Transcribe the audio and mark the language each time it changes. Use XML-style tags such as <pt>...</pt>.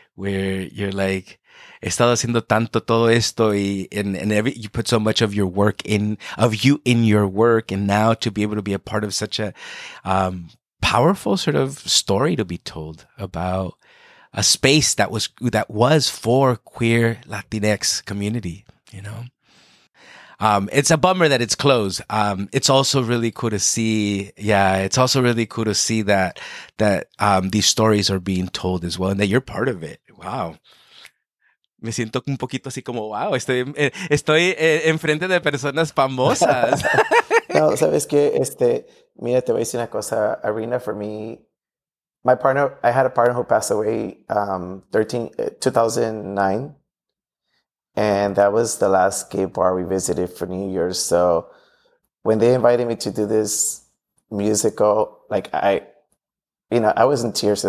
<en>Where you're like,</en> <es>he estado haciendo tanto todo esto</es> <en>and you put so much of your work in, of you in your work, and now to be able to be a part of such a powerful sort of story to be told about a space that was for queer Latinx community, you know? It's a bummer that it's closed. It's also really cool to see. Yeah, it's also really cool to see that these stories are being told as well and that you're part of it. Wow.</en> <es>Me siento un poquito así como, wow, estoy enfrente de personas famosas. No, sabes que, mira, te voy a decir una cosa.</es> <en>Arena, for me, my partner, I had a partner who passed away 2009. And that was the last gay bar we visited for New Year's. So when they invited me to do this musical, like I was in tears.</en>